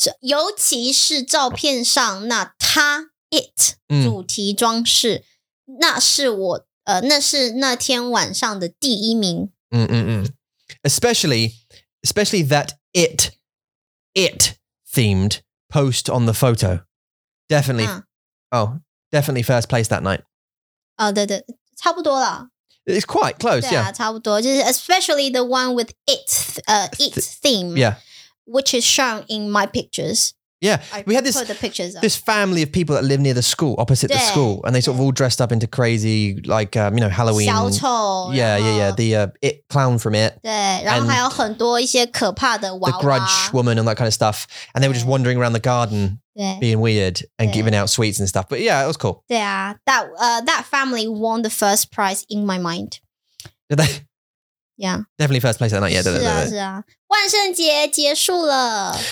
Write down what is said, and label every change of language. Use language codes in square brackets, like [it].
[zh] 尤其是照片上那它it 主题装饰, 那是我, 那是那天晚上的第一名。 [en] Especially that it themed post on the photo. Definitely. Huh. Oh, definitely first place that night. [zh] Oh, 对对,差不多了. [en] It's quite close, [zh] 对啊, [en] yeah. [zh] 差不多, [en] especially the one with its theme. Yeah. Which is shown in my pictures. Yeah. We had this, put the pictures up. This family of people that live near the school, opposite 对, the school, and they sort of all dressed up into crazy, like, you know, Halloween. [zh] 小丑, [en] yeah, [zh] 然后, [en] yeah, yeah. The it clown from it. [zh] 对,然后还有很多一些可怕的娃娃, [en] the grudge woman and that kind of stuff. And they were just wandering around the garden. Being weird and giving out sweets and stuff. But yeah, it was cool. Yeah, that family won the first prize in my mind. Did they? Yeah. Definitely first place that night. Yeah, [zh] 是啊,是啊。万圣节结束了。